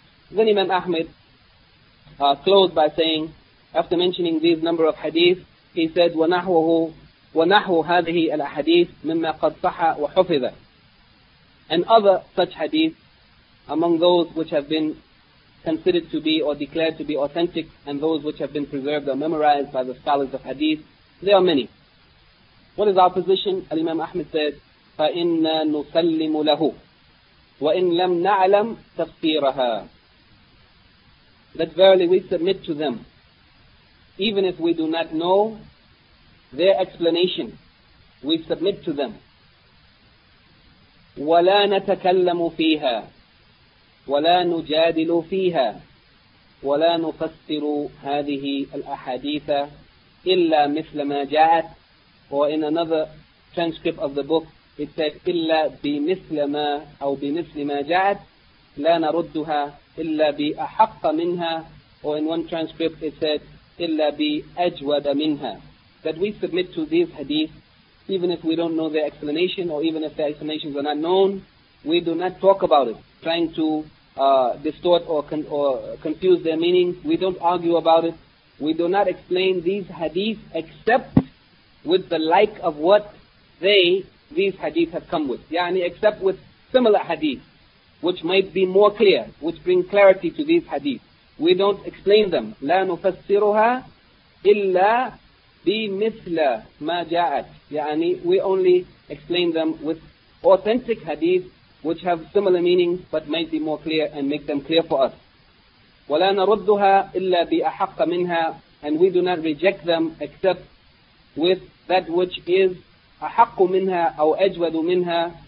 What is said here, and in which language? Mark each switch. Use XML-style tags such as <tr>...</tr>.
<en>Then Imam Ahmed closed by saying, after mentioning these number of hadith, he said,</en> <ar>وَنَحْوُ هَذِهِ الْأَحَدِيثِ مِمَّا قَدْ صَحَى وَحُفِذَ.</ar> <en>And other such hadith, among those which have been considered to be or declared to be authentic, and those which have been preserved or memorized by the scholars of hadith, there are many. What is our position? Al-Imam Ahmed said,</en> <ar>فَإِنَّا نُسَلِّمُ لَهُ وَإِنْ لَمْ نَعْلَمْ تَفْسِيرَهَا.</ar> <en>That verily we submit to them, even if we do not know their explanation, we submit to them.</en> <ar>وَلَا نَتَكَلَّمُ فِيهَا وَلَا نُجَادِلُ فِيهَا وَلَا نُفَسِّرُ هَذِهِ الْأَحَادِيثَ إِلَّا مِثْلَ مَا جَاءَتْ.</ar> <en>Or in another transcript of the book, it said,</en> <ar>إِلَّا بِمِثْلَ مَا أَوْ بِمِثْلِ مَا جَاءَتْ لَا نَرُدُّهَا إِلَّا بِأَحَقَّ مِنْهَا.</ar> <en>Or in one transcript it said,</en> <ar>إِلَّا بِأَجْوَدَ مِنْهَا.</ar> <en>That we submit to these hadith, even if we don't know their explanation, or even if their explanations are not known, we do not talk about it, trying to distort or confuse their meaning. We don't argue about it. We do not explain these hadith except with the like of what these hadith have come with. Yani except with similar hadith, which might be more clear, which bring clarity to these hadith. We don't explain them.</en> <ar>لا نفسرها إلا بِمِثْلَ مَا جَاءَتْ.</ar> <en>يعني we only explain them with authentic hadith which have similar meanings but might be more clear and make them clear for us.</en> <ar>وَلَا نَرُدُّهَا إِلَّا بِأَحَقَّ مِنْهَا.</ar> <en>And we do not reject them except with that which is</en> <ar>أَحَقُّ مِنْهَا أَوْ أَجْوَدُ مِنْهَا.</ar>